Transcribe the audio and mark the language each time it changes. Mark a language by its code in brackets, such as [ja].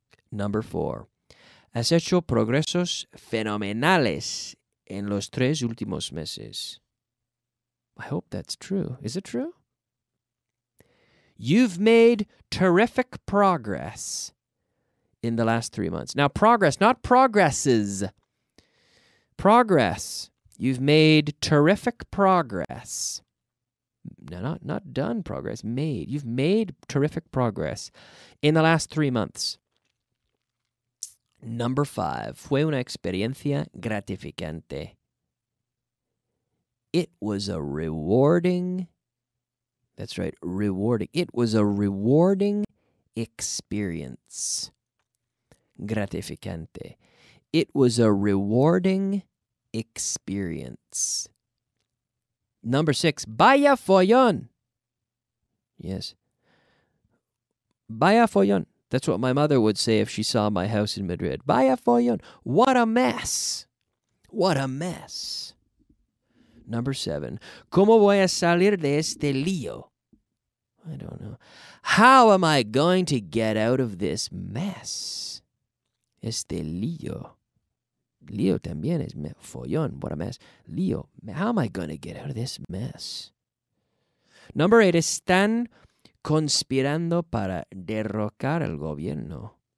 [en] Number four, [es] has hecho progresos fenomenales en los tres últimos meses. [en] I hope that's true. Is it true? You've made terrific progress in the last 3 months. Now, progress, not progresses. Progress. You've made terrific progress. No, not done progress. Made. You've made terrific progress in the last 3 months. Number five, [es] fue una experiencia gratificante. [en] It was a rewarding, that's right, rewarding. It was a rewarding experience. gratificante. It was a rewarding experience. Number six, [es] vaya follón. Yes. Vaya follón. [en] That's what my mother would say if she saw my house in Madrid. [es] Vaya follón. [en] What a mess. What a mess. Number seven, [es] ¿cómo voy a salir de este lío? [en] I don't know. How am I going to get out of this mess? [es] Este lío. Lío también es follón. [en] What a mess. [es] Lío. [en] How am I going to get out of this mess? Number eight, [es] están conspirando para derrocar al gobierno.